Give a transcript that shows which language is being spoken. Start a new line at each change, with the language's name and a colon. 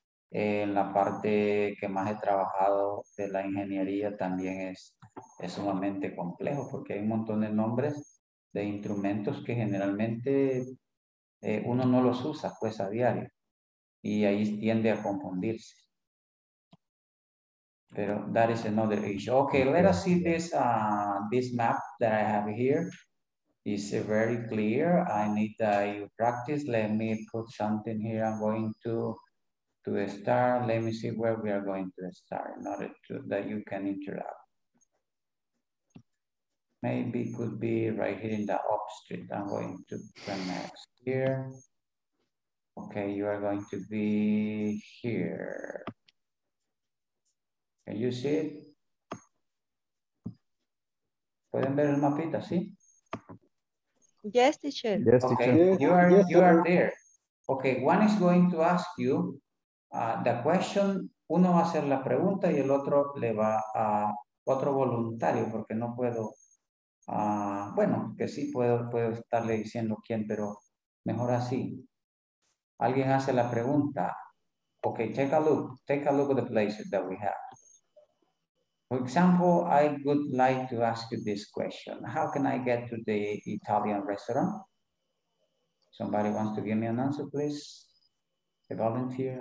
Spanish: En la parte que más he trabajado de la ingeniería también es sumamente complejo. Porque hay un montón de nombres de instrumentos que generalmente uno no los usa pues a diario. Y ahí tiende a confundirse.
English: Pero that is another issue. Okay, let us see this this map that I have here. It's very clear. I need that you practice. Let me put something here. I'm going to start. Let me see where we are going to start in order to, that you can interact. Maybe it could be right here in the up street. I'm going to connect here. Okay, you are going to be here. Can you see it?
Spanish: ¿Pueden ver el mapita, sí?
English: Yes, teacher. Yes, okay, teacher. You are there. Okay, one is going to ask you the question.
Spanish: Uno va a hacer la pregunta y el otro le va a otro voluntario porque no puedo. Bueno, que sí puedo estarle diciendo quién, pero mejor así. Alguien hace la pregunta.
English: Okay, take a look at the places that we have. For example, I would like to ask you this question. How can I get to the Italian restaurant? Somebody wants to give me an answer, please. A volunteer.